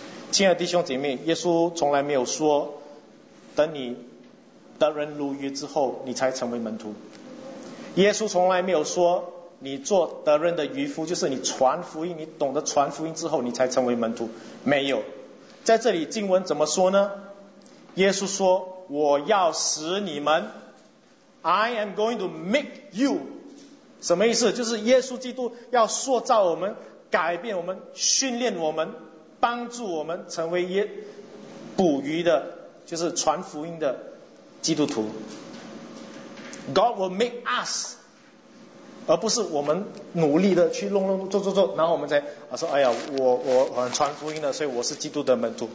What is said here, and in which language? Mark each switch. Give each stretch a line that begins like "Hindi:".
Chinese: 亲爱的弟兄姐妹，耶稣从来没有说等你得人如鱼之后你才成为门徒。耶稣从来没有说你做得人的渔夫就是你传福音，你懂得传福音之后你才成为门徒，没有。在这里经文怎么说呢？耶稣说，我要使你们，
English: I am going to make you。
Chinese: 什么意思？就是耶稣基督要塑造我们，改变我们，训练我们，帮助我们成为捕鱼的，就是传福音的基督徒。
English: God will make us，
Chinese: 而不是我们努力的去弄做，然后我们才说哎呀，我很传福音的，所以我是基督的门徒。